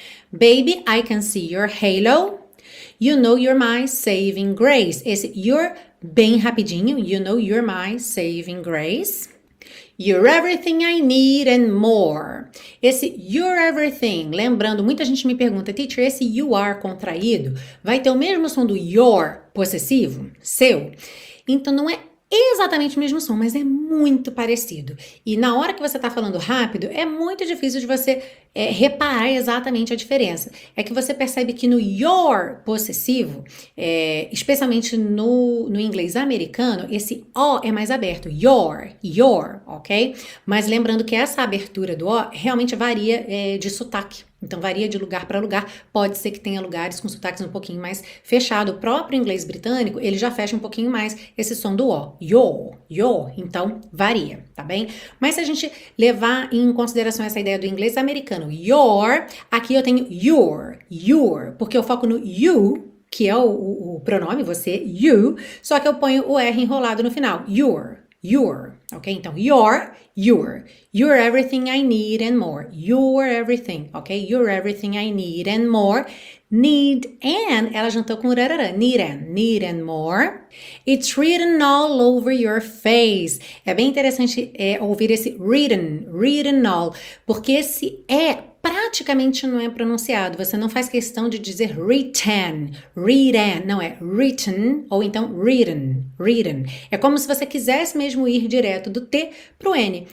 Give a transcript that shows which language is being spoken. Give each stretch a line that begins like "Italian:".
English: Baby, I can see your halo, you know you're my saving grace.
Portuguese: Esse
English: you're
Portuguese: bem rapidinho,
English: you know you're my saving grace. You're everything I need and more. Esse you're everything,
Portuguese: lembrando, muita gente me pergunta, teacher,
English: esse you are
Portuguese: contraído vai ter o mesmo som do your possessivo, seu? Então não é exatamente o mesmo som, mas é muito parecido. E na hora que você está falando rápido, é muito difícil de você reparar exatamente a diferença. É que você percebe que no your possessivo, especialmente no inglês americano, esse O é mais aberto. Your, your, ok? Mas lembrando que essa abertura do O realmente varia de sotaque. Então varia de lugar para lugar. Pode ser que tenha lugares com sotaques um pouquinho mais fechado. O próprio inglês britânico, ele já fecha um pouquinho mais esse som do O. Yo, yo. Então varia, tá bem? Mas se a gente levar em consideração essa ideia do inglês americano, your, aqui eu tenho
English: your, your.
Portuguese: Porque eu foco no you, que é o pronome, você, you. Só que eu ponho o R enrolado no final.
English: Your, your. Ok?
Portuguese: Então,
English: your, your. You're everything I need and more. You're everything, ok? You're everything I need and more. Need and,
Portuguese: ela juntou com rarara.
English: Need and, need and more. It's written all over your face.
Portuguese: É bem interessante ouvir esse written,
English: written all.
Portuguese: Porque esse é praticamente não é pronunciado. Você não faz questão de dizer written, written. Não é written ou então written, written. É como se você quisesse mesmo ir direto do T pro N.